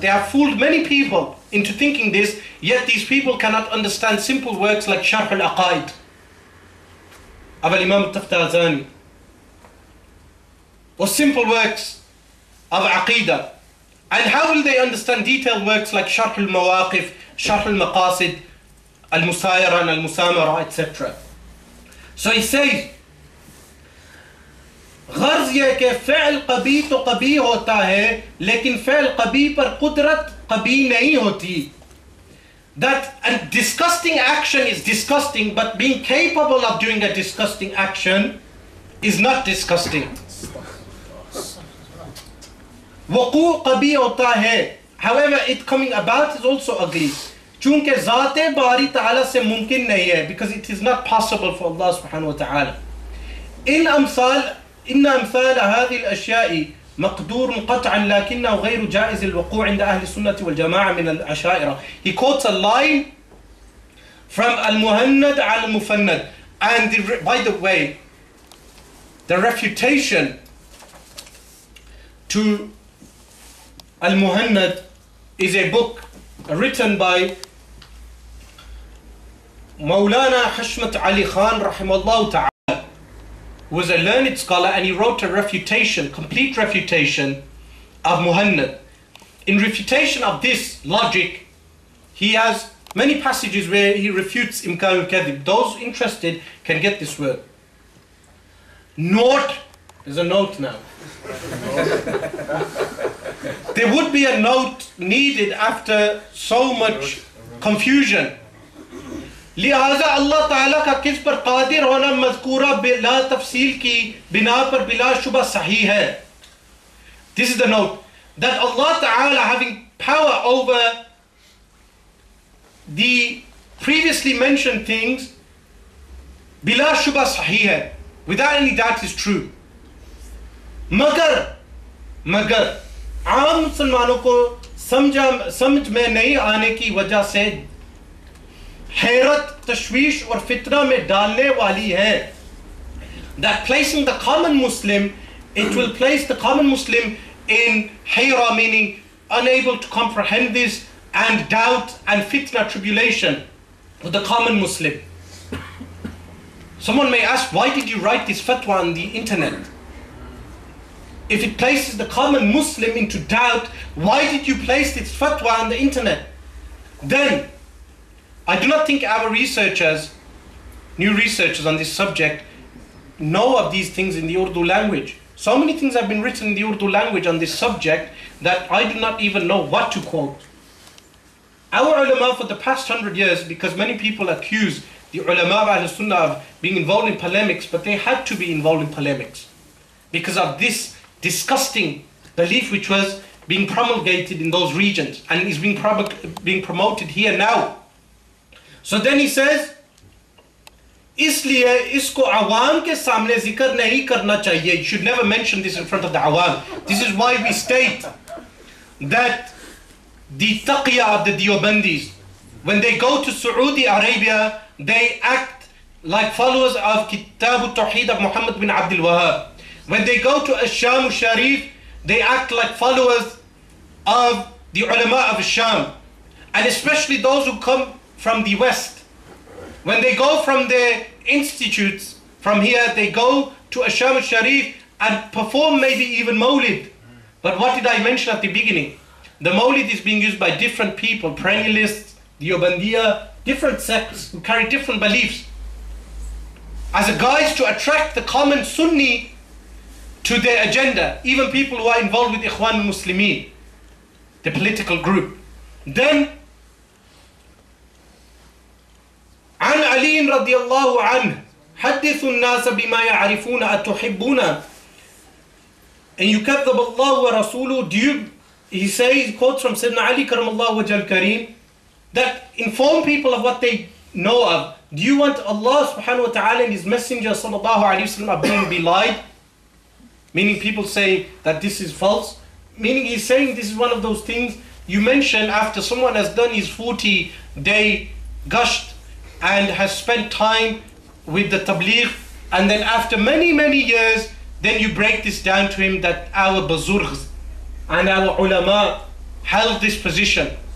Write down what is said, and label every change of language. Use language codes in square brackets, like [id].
[en] They have fooled many people into thinking this, yet these people cannot understand simple works like Sharh al-Aqaid of Imam al-Taftazani, or simple works of Aqidah. And how will they understand detailed works like Sharh al-Mawaqif Sharh al-Maqasid, al-Musayara and al-Musamara, etc. [ur] So he says, غرض یہ کہ فعل قبی تو قبی ہوتا ہے لیکن فعل قبی پر قدرت قبی نہیں ہوتی. [en] That a disgusting action is disgusting, but being capable of doing a disgusting action is not disgusting. [ur] وقوع قبی ہوتا ہے, [en] however it coming about is also ugly. [ur] چونکہ ذات باری تعالی سے ممکن نہیں ہے, [en] because it is not possible for Allah [ur] سبحانہ وتعالی. [ar] ان امثال إن أمثال هذه الأشياء مقدور قطعا لكنه غير جائز الوقوع عند أهل السنة والجماعة من الأشائرة. [en] He quotes a line from Al-Muhannad Al-Mufannad. And the, by the way, the refutation to Al-Muhannad is a book written by Mawlana Hashmat Ali Khan رحمه الله, was a learned scholar, and he wrote a refutation, complete refutation of Muhannad. In refutation of this logic, he has many passages where he refutes Imkan al-Kadhib. Those interested can get this word. Note, there's a note now. There would be a note needed after so much confusion. [ur] لہذا اللہ تعالیٰ کا کس پر قادر ہونا مذکورہ بلا تفصیل کی بنا پر بلا شبہ صحیح ہے. [en] This is the note that Allah تعالیٰ having power over the previously mentioned things [ur] بلا شبہ صحیح ہے, [en] without any doubt is true. [ur] مگر عام مسلمانوں کو سمجھ میں نہیں آنے کی وجہ سے حیرت تشویش اور فتنہ میں ڈالنے والی ہے. [en] That placing the common Muslim, it will place the common Muslim in حیرہ, meaning unable to comprehend this, and doubt and fitna, tribulation for the common Muslim. Someone may ask, why did you write this fatwa on the internet? If it places the common Muslim into doubt, why did you place this fatwa on the internet? Then I do not think our researchers, new researchers on this subject, know of these things in the Urdu language. So many things have been written in the Urdu language on this subject that I do not even know what to quote. Our ulama for the past 100 years, because many people accuse the ulama of Ahl-Sunnah of being involved in polemics, but they had to be involved in polemics because of this disgusting belief which was being promulgated in those regions and is being promoted here now. So then he says, [ur] اس لیے اس کو عوام کے سامنے ذکر نہیں کرنا چاہیے. [en] You should never mention this in front of the عوام. This is why we state that the taqiyah of the Diobandis, when they go to Saudi Arabia, they act like followers of Kitab al-Tawheed of Muhammad bin Abdul Wahab. When they go to Al-Sham al-Sharif, they act like followers of the ulama of Al-Sham. And especially those who come from the West. When they go from their institutes, from here, they go to Asham al-Sharif and perform maybe even Mawlid. But what did I mention at the beginning? The Mawlid is being used by different people, perennialists, Diobandiya, different sects who carry different beliefs, as a guise to attract the common Sunni to their agenda, even people who are involved with Ikhwan al-Muslimin, the political group. [ar] Then عن علي رضي الله عنه حدث الناس بما يعرفون أتحبون أن يكذب الله ورسوله. [en] Do you, he says, quotes from Sayyidina Ali [ar] كرم الله وجل كريم, [en] that inform people of what they know of. Do you want Allah subhanahu wa ta'ala and his messenger صلى الله عليه وسلم to be lied? Meaning people say that this is false. Meaning he's saying this is one of those things you mention after someone has done his 40-day gushed and has spent time with the tabligh, and then after many, many years, then you break this down to him that our bazurghs and our ulama held this position.